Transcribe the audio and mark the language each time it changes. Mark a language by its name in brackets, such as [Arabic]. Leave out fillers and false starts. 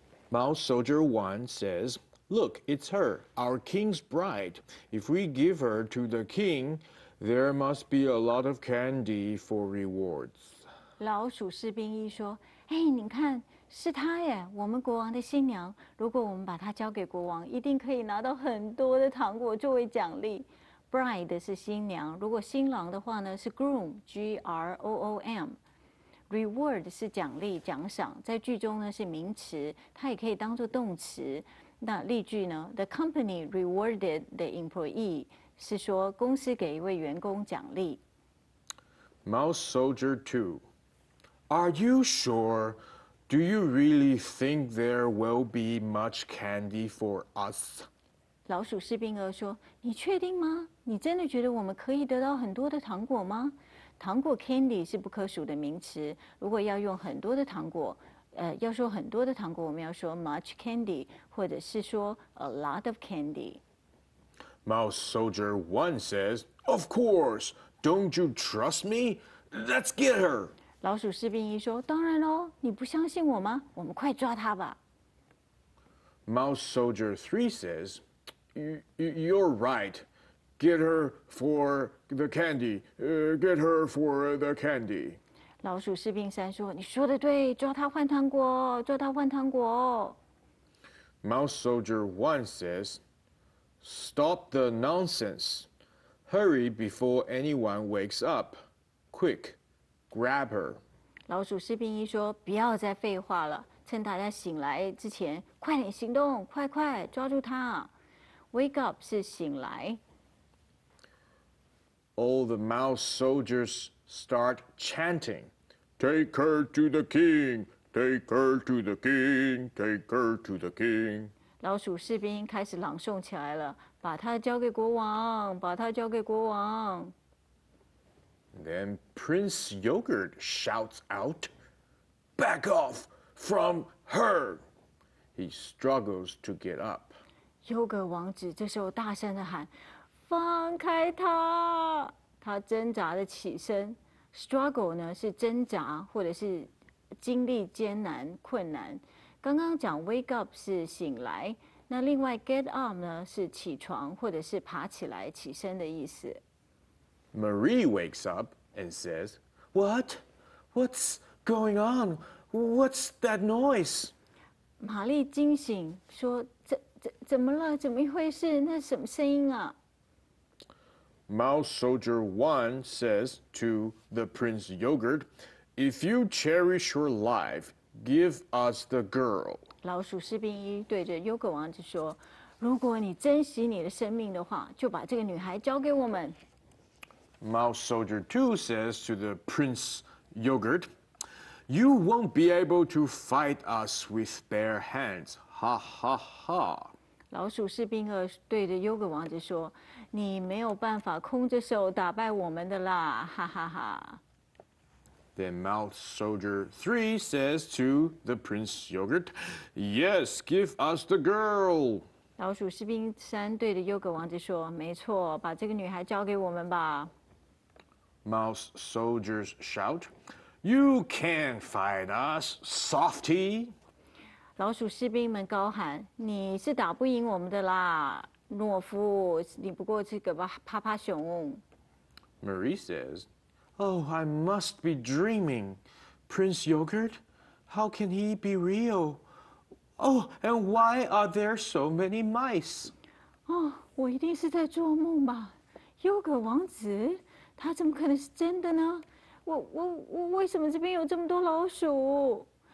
[English] Mouse soldier one says, Look, it's her, our king's bride. If we give her to the king, there must be a lot of candy for rewards. [Chinese] 老鼠士兵一说，哎，你看，是她耶，我们国王的新娘。如果我们把她交给国王，一定可以拿到很多的糖果作为奖励。 Bride 是新娘，如果新郎的话呢是 groom，G-R-O-O-M。 Reward 是奖励、奖赏，在句中呢是名词，它也可以当作动词。那例句呢 ， [English] The company rewarded the employee [Chinese] 是说公司给一位员工奖励。 [English] Mouse soldier two, are you sure? Do you really think there will be much candy for us? [Chinese] 老鼠士兵二说：“你确定吗？你真的觉得我们可以得到很多的糖果吗？糖果 candy 是不可数的名词。如果要用很多的糖果，要说很多的糖果，我们要说 [English] much candy， [Chinese] 或者是说 [English] a lot of candy。 Mouse Soldier 1 says, "Of course, don't you trust me? Let's get her." [Chinese] 老鼠士兵一说，当然喽，你不相信我吗？我们快抓他吧。 [English] Mouse Soldier 3 says, "You're right. Get her for the candy. Get her for the candy." [Chinese] 老鼠士兵三说，你说的对，抓他换糖果，抓他换糖果。 [English] Mouse Soldier 1 says, "Stop the nonsense. Hurry before anyone wakes up. Quick, grab her." [Chinese] 老鼠士兵一说，不要再废话了。趁大家醒来之前，快点行动，快快抓住他。 Wake up 是醒来。 [English] All the mouse soldiers start chanting, "Take her to the king, take her to the king, take her to the king." [Chinese] 老鼠士兵开始朗诵起来了，把他交给国王，把他交给国王。 [English] Then Prince Yogurt shouts out, "Back off!" From her, he struggles to get up. [Chinese] 优格王子这时候大声地喊：“放开他！” 他挣扎的起身。Struggle 呢是挣扎或者是经历艰难困难。刚刚讲 wake up 是醒来，那另外 get up 呢是起床或者是爬起来起身的意思。 [English] Marie wakes up and says, "What? What's going on?" What's that noise? [Chinese] 玛丽惊醒，说：“怎么了？怎么一回事？那什么声音啊？” [English] Mouse Soldier 1 says to the Prince Yogurt, "If you cherish your life, give us the girl." [Chinese] 老鼠士兵一对着优格王子说：“如果你珍惜你的生命的话，就把这个女孩交给我们。” [English] Mouse Soldier 2 says to the Prince Yogurt, "You won't be able to fight us with bare hands, ha ha ha." [Chinese] 老鼠士兵二对着优格王子说，你没有办法空着手打败我们的啦，哈哈哈。 [English] Then Mouse Soldier 3 says to the Prince Yogurt, "Yes, give us the girl." [Chinese] 老鼠士兵三对着优格王子说，没错，把这个女孩交给我们吧。 [English] Mouse Soldiers shout,You can't fight us, softy. [Chinese] 老鼠士兵们高喊，你是打不赢我们的啦，懦夫，你不过是个趴趴熊。 [English] Marie says, Oh, I must be dreaming. Prince Yogurt, how can he be real? Oh, and why are there so many mice? [Chinese] 哦，我一定是在做梦吧。优格王子，他怎么可能是真的呢？我为什么这边有这么多老鼠？